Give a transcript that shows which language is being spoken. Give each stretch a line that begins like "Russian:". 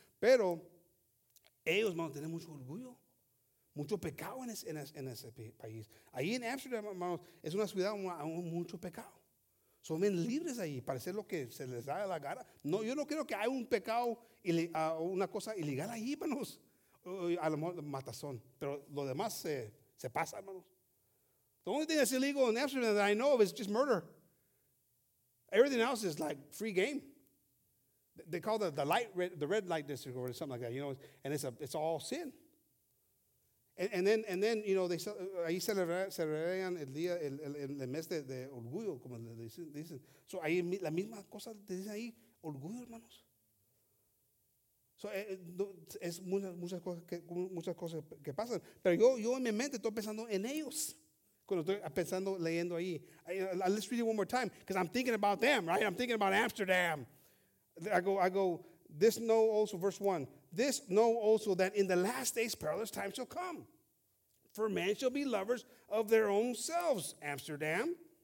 Spanish: Pero ellos, hermanos, tienen mucho orgullo, mucho pecado en ese país. Ahí en Amsterdam, hermanos, es una ciudad con mucho pecado. Son bien libres ahí, para hacer lo que se les da la gana. No, yo no creo que haya un pecado, una cosa ilegal ahí, hermanos. A lo mejor matazón. Pero lo demás se pasa, hermanos.
English: The only thing that's illegal in Amsterdam that I know of is just murder. Everything else is like free game. They call it the red light district or something like that, you know. And it's all sin. And then you know,
Spanish: ahí celebrarían el día, el mes de orgullo, como le dicen. So ahí la misma cosa te dicen ahí, orgullo, hermanos. So es muchas cosas que pasan. Pero yo en mi mente estoy pensando en ellos. Cuando estoy pensando, leyendo ahí.
English: Let's read it one more time, because I'm thinking about them, right? I'm thinking about Amsterdam. I go, This know also, verse 1, this know also that in the last days perilous times shall come. For men shall be lovers of their own selves, Amsterdam.